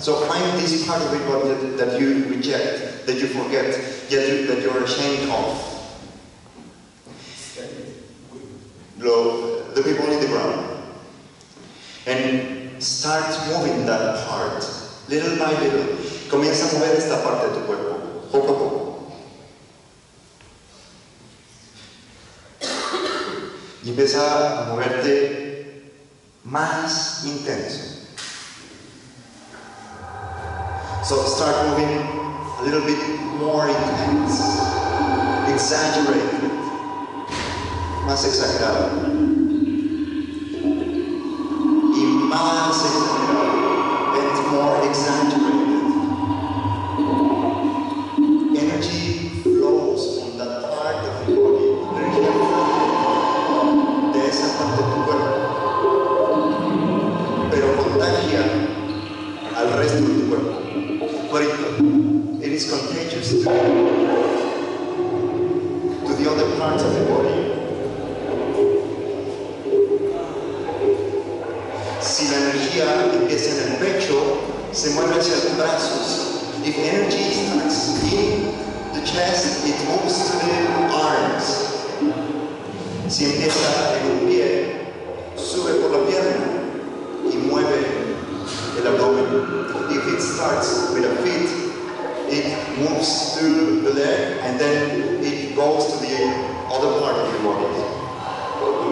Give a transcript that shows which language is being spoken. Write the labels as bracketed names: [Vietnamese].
[English] So find this part of your body that you reject, that you forget, that you're ashamed of. The people in the ground. And start moving that part, little by little. [Spanish] Comienza a mover esta parte de tu cuerpo, poco a poco. Y empieza a moverte más intenso. [English] So start moving a little bit more intense. Exaggerate. [Spanish] Más exagerado. Y más exagerado. [English] And more exaggerated. Energy flows from that part of your body. Energy flows [Spanish] de esa parte de tu cuerpo. Pero contagia al resto de tu cuerpo. Cuerpo. [English] It is contagious to the other parts of your body. [Spanish] Empieza en el pecho, se mueve hacia los brazos. [English] If energy starts in the chest, it moves to the arms. [Spanish] Si empieza en un pie, sube por la pierna y mueve el abdomen. [English] If it starts with a foot, it moves to the leg and then it goes to the other part of your body.